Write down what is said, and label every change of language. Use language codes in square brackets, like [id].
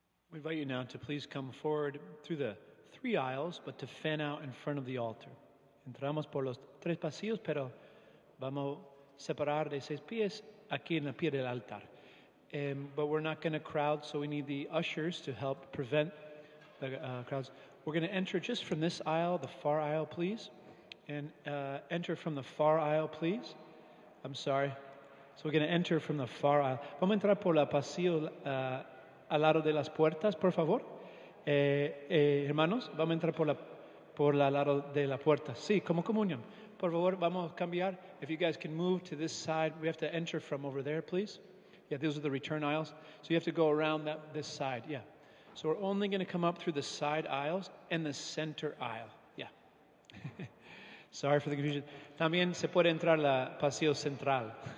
[en] We invite you now to please come forward through the three aisles, but to fan out in front of the altar. [es] Entramos por los tres pasillos, pero vamos a separar de seis pies aquí en el pie del altar. [en] But we're not going to crowd, so we need the ushers to help prevent the crowds. We're going to enter just from this aisle, the far aisle, please. And enter from the far aisle, please. I'm sorry. So we're going to enter from the far aisle. [es] Vamos a entrar por la pasillo al lado de las puertas, por favor. Hermanos, vamos a entrar por la lado de la puerta. Sí, como comunión. Por favor, vamos a cambiar. [en] If you guys can move to this side, we have to enter from over there, please. Yeah, these are the return aisles. So you have to go around this side, yeah. So we're only going to come up through the side aisles and the center aisle. Yeah. Sorry for the confusion. [es] También se puede entrar la pasillo central.